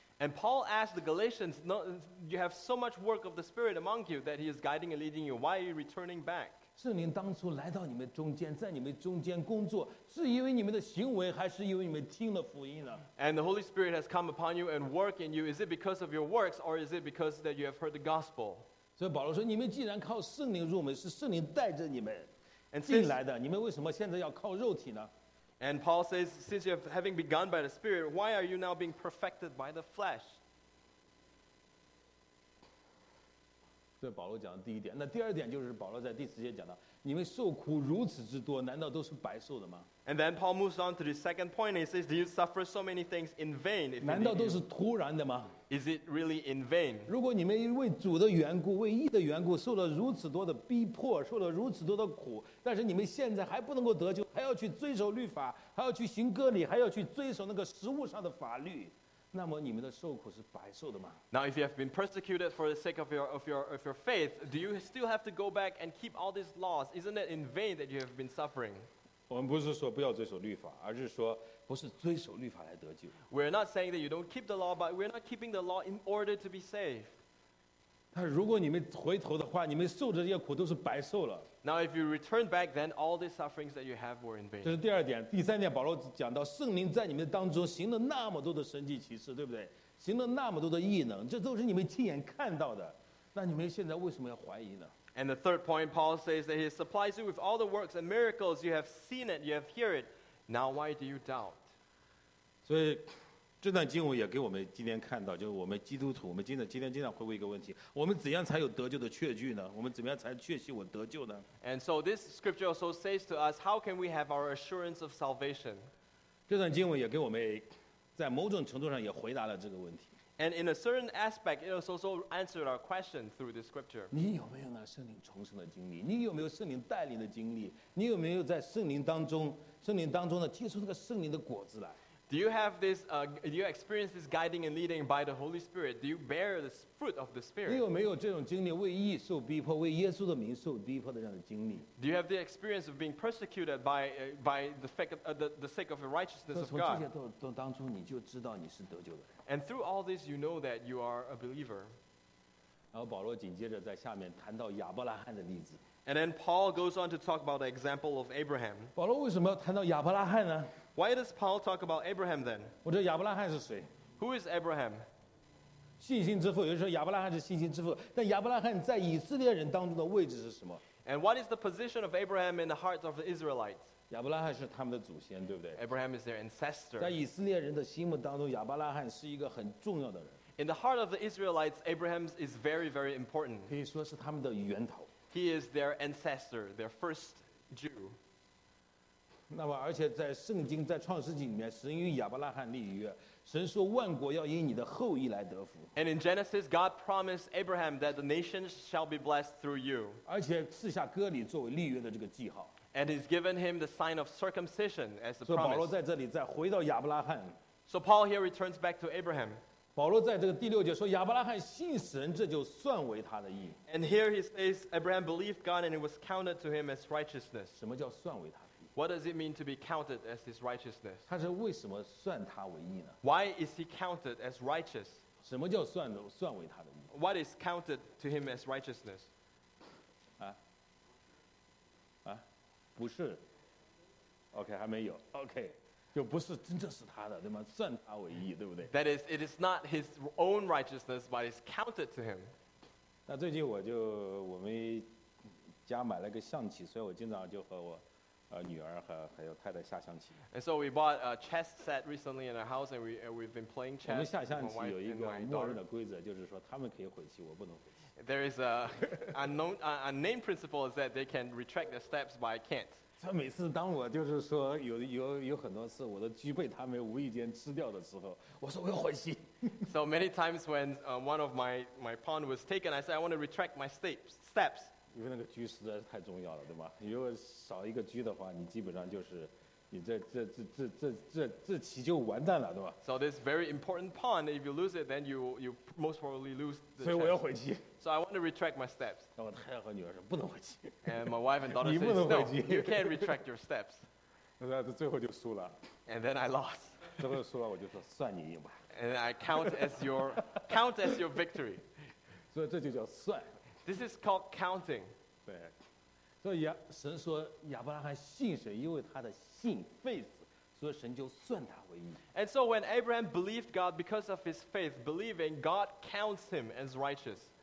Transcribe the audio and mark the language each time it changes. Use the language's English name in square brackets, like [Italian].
[English] And Paul asked the Galatians, no, you have so much work of the Spirit among you that he is guiding and leading you. Why are you returning back? [Chinese] 圣灵当初来到你们中间，在你们中间工作，是因为你们的行为，还是因为你们听了福音呢？ [English] And the Holy Spirit has come upon you and work in you. Is it because of your works or is it because that you have heard the gospel? [Chinese] 所以保罗说，你们既然靠圣灵入门，是圣灵带着你们进来的，你们为什么现在要靠肉体呢？ [English] And Paul says, since you have having begun by the Spirit, why are you now being perfected by the flesh? [Chinese] 这保罗讲的第一点。那第二点就是保罗在第四节讲的，你们受苦如此之多，难道都是白受的吗？ [English] And then Paul moves on to the second point. He says, do you suffer so many things in vain? [Chinese] 难道都是突然的吗？ [English] Is it really in vain? [Chinese] 如果你们为主的缘故，为义的缘故，受了如此多的逼迫，受了如此多的苦，但是你们现在还不能够得救，还要去遵守律法，还要去行割礼，还要去遵守那个食物上的法律，那么你们的受苦是白受的吗？ [English] Now if you have been persecuted for the sake of your faith, do you still have to go back and keep all these laws? Isn't it in vain that you have been suffering? [Chinese] 我们不是说不要遵守律法，而是说不是遵守律法来得救。 [English] We're not saying that you don't keep the law, but we're not keeping the law in order to be saved. [Chinese] 但如果你们回头的话，你们受的这些苦都是白受了。 [English] Now if you return back, then all the sufferings that you have were in vain. [Chinese] 这是第二点。第三点，保罗讲到圣灵在你们当中行了那么多的神迹奇事，对不对？行了那么多的异能，这都是你们亲眼看到的，那你们现在为什么要怀疑呢？ [English] And the third point, Paul says that he supplies you with all the works and miracles. You have seen it, you have heard it. Now why do you doubt? [Chinese] 所以这段经文也给我们今天看到，就是我们基督徒，我们今天会问一个问题：我们怎样才有得救的确据呢？我们怎么样才确信我得救呢 [English] ？And so this scripture also says to us, how can we have our assurance of salvation? [Chinese] 这段经文也给我们在某种程度上也回答了这个问题。 [English] And in a certain aspect, it has also answered our question through this scripture. [Chinese] 你有没有那圣灵重生的经历？你有没有圣灵带领的经历？你有没有在圣灵当中呢，结出这个圣灵的果子来？ [English] Do you have this, do you experience this guiding and leading by the Holy Spirit? Do you bear the fruit of the Spirit? [Chinese] 你有没有这种经历，为义受逼迫，为耶稣的名受逼迫的这样的经历？ [English] Do you have the experience of being persecuted by the fact of, the sake of the righteousness of God? [Chinese] 从这些都当中，你就知道你是得救的人。 [English] And through all this, you know that you are a believer. [Chinese] 然后保罗紧接着在下面谈到亚伯拉罕的例子。 [English] And then Paul goes on to talk about the example of Abraham. [Chinese] 保罗为什么要谈到亚伯拉罕呢？ [English] Why does Paul talk about Abraham then? [Chinese] 我说亚伯拉罕是谁？ [English] Who is Abraham? [Chinese] 信心之父，有人说亚伯拉罕是信心之父，但亚伯拉罕在以色列人当中的位置是什么？ [English] And what is the position of Abraham in the hearts of the Israelites? [Chinese] 亚伯拉罕是他们的祖先，对不对？ [English] Abraham is their ancestor. [Chinese] 在以色列人的心目当中，亚伯拉罕是一个很重要的人。 [English] In the heart of the Israelites, Abraham is very, very important. [Chinese] 可以说是他们的源头。 [English] He is their ancestor, their first Jew. [Chinese] 那么而且在圣经在创世纪里面，神与亚伯拉罕立约，神说万国要因你的后裔来得福。 [English] And in Genesis, God promised Abraham that the nations shall be blessed through you. [Chinese] 而且赐下割礼作为立约的这个记号。 [English] And he's given him the sign of circumcision as the promise. [Chinese] 所以保罗在这里再回到亚伯拉罕。 [English] So Paul here returns back to Abraham. [Chinese] 保罗在这个第六节说亚伯拉罕信神，这就算为他的义。 [English] And here he says Abraham believed God and it was counted to him as righteousness. [Chinese] 什么叫算为他？ [English] What does it mean to be counted as his righteousness? [Chinese] 他是为什么算他为义呢？ [English] Why is he counted as righteous? [Chinese] 什么叫算为他的义？ [English] What is counted to him as righteousness? [Chinese] 不是。OK, 还没有。 OK, 就不是真正是他的，对吗？算他为义，对不对？ [English] That is, it is not his own righteousness, but it's counted to him. [Chinese] 那最近我们家买了个象棋，所以我经常就和我女儿和还有太太下象棋。 [English] And so we bought a chess set recently in our house, and we've been playing chess. [Chinese] 我们下象棋有一个默认的规则，就是说他们可以回棋，我不能回棋。 [English] There is a unknown principle is that they can retract their steps, but I can't. [Chinese] 所以每次当我就是说有很多次我的车被他们无意间吃掉的时候，我说我要回棋， [English] So many times when one of my pawn was taken, I said, I want to retract my steps. [Chinese] 因为那个车实在是太重要了，对吧？如果少一个车的话，你基本上就是，你这棋就完蛋了，对吧？ [English] So this very important pawn, if you lose it, then you most probably lose the chess. [Chinese] 所以我要回棋。 [English] So I want to retract my steps. [Chinese] 然后太太和女儿说，不能回棋。 [English] And my wife and daughter says, [Chinese] <你不能回棋。 [English] laughs> no, you can't retract your steps. [Chinese] 那最后就输了。 [English] And then I lost. [Chinese] 最后输了，我就说算你赢吧。 [English] And I count as your victory. [Chinese] 所以这就叫算。 [English] This is called counting. [Chinese] 对，所以神说亚伯拉罕信神，因为他的信 faith， 所以神就算他为义。And [English] so when Abraham believed God because of his faith, believing God counts him as righteous.